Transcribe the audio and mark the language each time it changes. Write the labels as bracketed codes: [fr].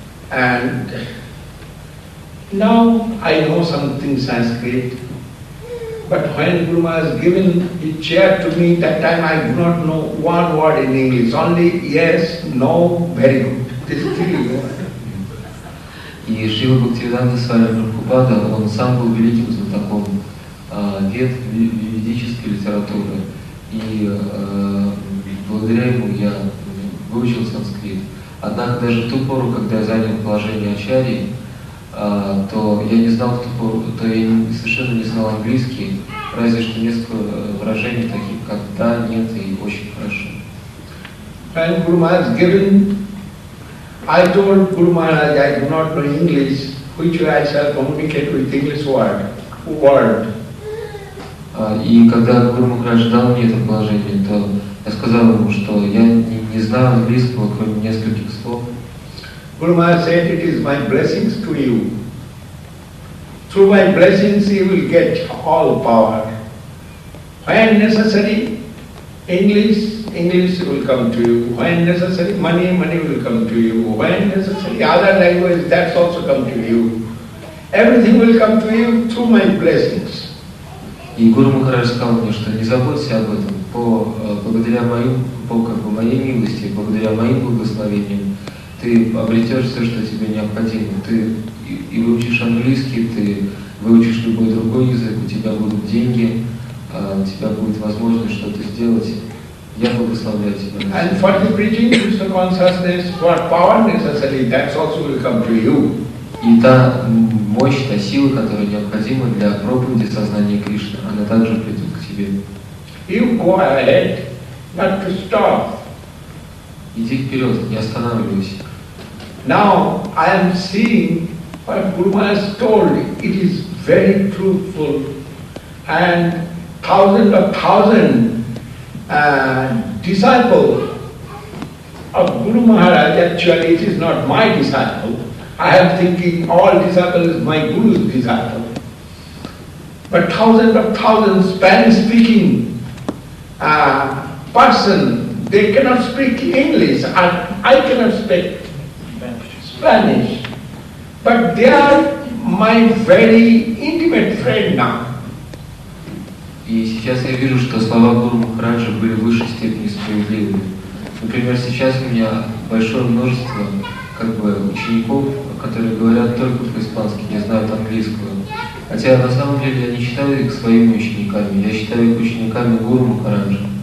[en] And now I know something Sanskrit, but when Guru Maharaj has given the chair to me, that time I do not know one word in English, only yes, no, very good. This three words. [ru] И Шрила Бхактисиддханта Свами Прабхупада, он сам был великим знатоком ведической литературы. И благодаря ему я выучил санскрит. Однако даже в ту пору, когда я занял положение Ачарьи, то я не знал, я совершенно не знал английский, разве что несколько выражений таких, как «да», «нет» и «очень хорошо». [en] when Guru Maharaj has given, I told Guru Maharaj, I do not know English, which way I shall communicate with English word. [ru] И когда Гуру Махарадж дал мне это положение, то я сказал ему, что я не знаю английского, кроме нескольких слов. [en] Guru Maharaj said, it is my blessings to you. Through my blessings you will get all power. When necessary, English will come to you. When necessary, money will come to you. When necessary, other languages, that's also come to you. Everything will come to you through my blessings. [ru] И Гуру Махарадж сказал мне, что не заботься об этом. Благодаря моей милости, благодаря моим благословениям, ты обретешь все, что тебе необходимо. Ты выучишь английский, ты выучишь любой другой язык, у тебя будут деньги, у тебя будет возможность что-то сделать. Я благословляю тебя. [en] And for the preaching, Krishna consciousness, what power necessary, that also will come to you. [ru] И та мощь, та сила, которая необходима для проповеди сознания Кришны, она также придет к тебе. [en] You go ahead, not to stop. [ru] Иди вперед, не останавливайся. [en] Now I am seeing what Guru Maharaj told. It is very truthful, and thousands of disciples of Guru Maharaj. Actually, it is not my disciple. I am thinking all disciples, my Guru's disciples. But thousands of Spanish-speaking persons, they cannot speak English, and I cannot speak Spanish. But they are my very intimate friend now. [ru] И сейчас я вижу, что слова Гуру Махараджа были в высшей степени справедливыми. Например, сейчас у меня большое множество учеников, которые говорят только по-испански, не знают английского. Хотя на самом деле я не считаю их своими учениками, я считаю их учениками Гуру Махараджа.